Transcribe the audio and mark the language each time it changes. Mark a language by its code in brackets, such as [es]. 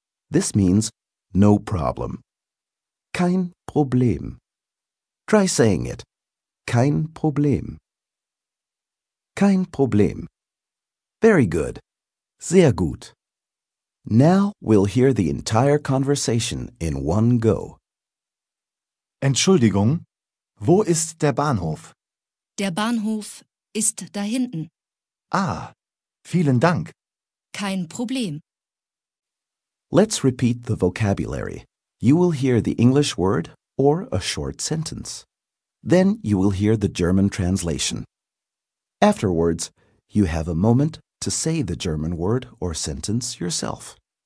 [en] This means no problem. [de] Kein Problem. [en] Try saying it. [de] Kein Problem. Kein Problem. [en] Very good. [de] Sehr gut. [en] Now we'll hear the entire conversation in one go. [de] Entschuldigung, wo ist der Bahnhof? Der Bahnhof ist da hinten. Ah, vielen Dank. Kein Problem. [en] Let's repeat the vocabulary. You will hear the English word or a short sentence. Then you will hear the German translation. Afterwards, you have a moment to say the German word or sentence yourself.